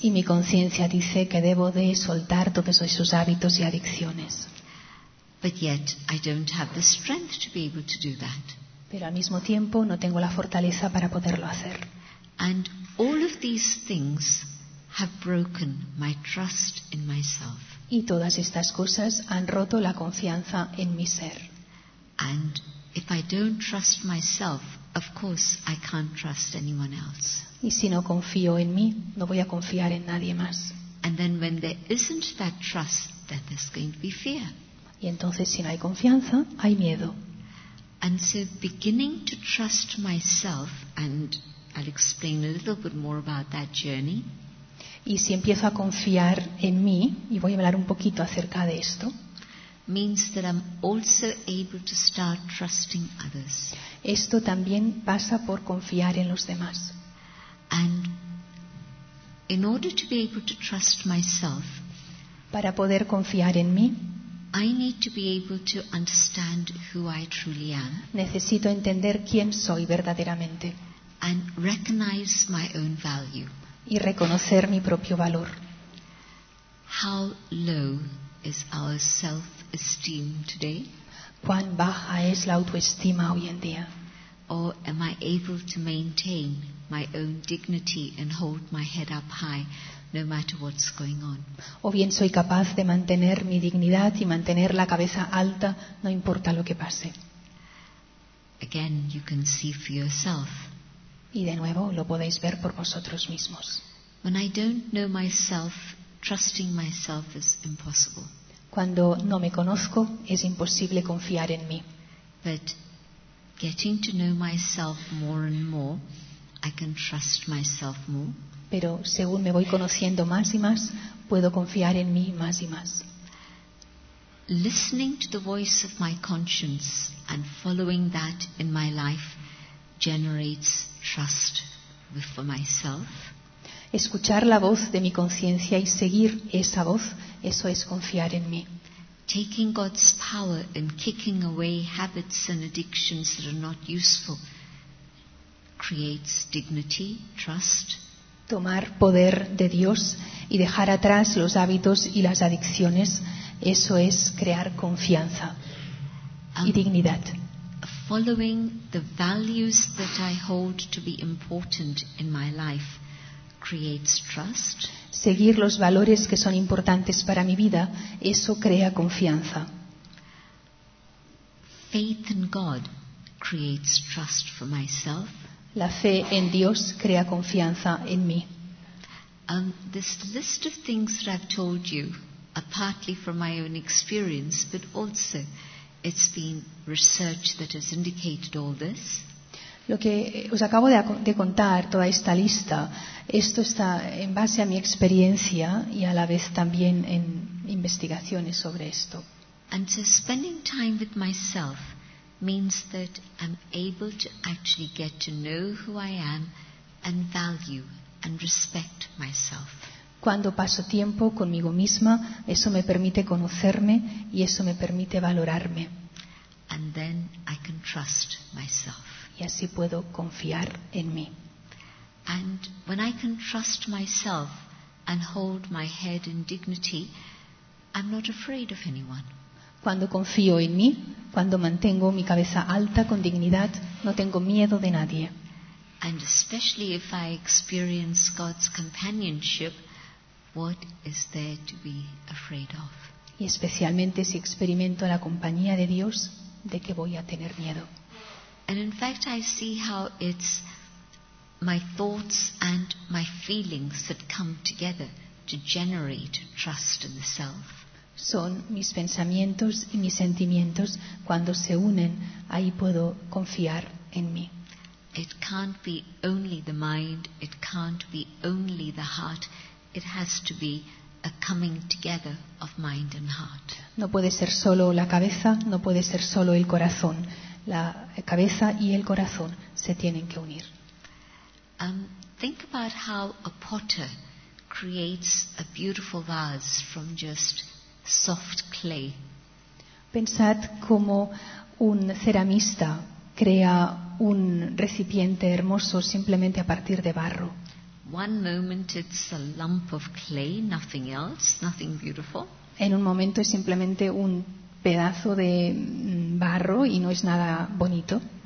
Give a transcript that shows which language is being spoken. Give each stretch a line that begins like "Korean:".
Spanish: Y mi conciencia dice que debo de soltar todos esos hábitos y adicciones.
English: But yet I don't have the strength to be able to do that.
Spanish: Pero al mismo tiempo no tengo la fortaleza para poderlo hacer.
English: And all of these things have broken my trust in myself.
Spanish: Y todas estas cosas han roto la confianza en mi ser.
English: And If I don't trust myself, of course I can't trust anyone else.
Spanish: Y si no confío en mí, no voy a confiar en nadie más.
English: And then when there isn't that trust, then there's going to be fear.
Spanish: Y entonces si no hay confianza, hay miedo.
English: And so beginning to trust myself, and I'll explain a little bit more about that journey.
Spanish: Y si empiezo a confiar en mí, y voy a hablar un poquito acerca de esto,
English: means that I'm also able to start trusting others.
Spanish: Esto también pasa por confiar en los demás.
English: And in order to be able to trust myself,
Spanish: para poder confiar en mí,
English: I need to be able to understand who I truly am.
Spanish: Necesito entender quién soy verdaderamente.
English: And recognize my own value.
Spanish: Y reconocer mi propio valor.
English: How low is our self-esteem today?
Spanish: ¿Cuán baja es la autoestima hoy en día?
English: Or am I able to maintain my own dignity and hold my head up high, no matter what's going on?
Spanish: ¿O bien soy capaz de mantener mi dignidad y mantener la cabeza alta, no importa lo que pase?
English: Again, you can see for yourself.
Spanish: Y de nuevo lo podéis ver por vosotros mismos.
English: When I don't know myself, trusting myself is impossible.
Spanish: Cuando no me conozco, es imposible confiar en mí.
English: But getting to know myself more and more, I can trust myself more.
Spanish: Pero según me voy conociendo más y más, puedo confiar en mí más y más.
English: Listening to the voice of my conscience and following that in my life generates trust for myself.
Spanish: Escuchar la voz de mi conciencia y seguir esa voz, eso es confiar en mí.
English: Taking God's power and kicking away habits and addictions that are not useful creates dignity, trust.
Spanish: Tomar poder de Dios y dejar atrás los hábitos y las adicciones, eso es crear confianza y dignidad.
English: Following the values that I hold to be important in my life creates trust.
Spanish: Seguir los valores que son importantes para mi vida, eso crea confianza.
English: Faith in God creates trust for myself.
Spanish: La fe en Dios crea confianza en mí.
English: This list of things that I've told you are partly from my own experience, but also it's been research that has indicated all this.
Spanish: Lo que os acabo de contar, toda esta lista, esto está en base a mi experiencia y a la vez también en investigaciones sobre esto.
English: And so spending time with myself means that I'm able to actually get to know who I am and value and respect myself.
Spanish: Cuando paso tiempo conmigo misma, eso me permite conocerme y eso me permite valorarme.
English: And then I can trust myself.
Spanish: Y así puedo confiar en mí.
English: And when I can trust myself and hold my head in dignity, I'm not afraid of anyone.
Spanish: Cuando confío en mí, cuando mantengo mi cabeza alta con dignidad, no tengo miedo de nadie.
English: And especially if I experience God's companionship, what is there to be afraid of?
Spanish: Y especialmente si experimento la compañía de Dios, ¿de qué voy a tener miedo?
English: And in fact, I see how it's my thoughts and my feelings that come together to generate trust in the self.
Spanish: Son mis pensamientos y mis sentimientos, cuando se unen, ahí puedo confiar en mí.
English: It can't be only the mind, it can't be only the heart. It has to be a coming together of mind and heart.
Spanish: No puede ser solo la cabeza, no puede ser solo el corazón. La cabeza y el corazón se tienen que unir.
English: Think about how a potter creates a beautiful vase from just soft clay.
Spanish: Pensad cómo un ceramista crea un recipiente hermoso simplemente a partir de barro.
English: One moment it's a lump of clay, nothing else, nothing beautiful.
Spanish: En un momento es simplemente un pedazo de barro y no es nada bonito.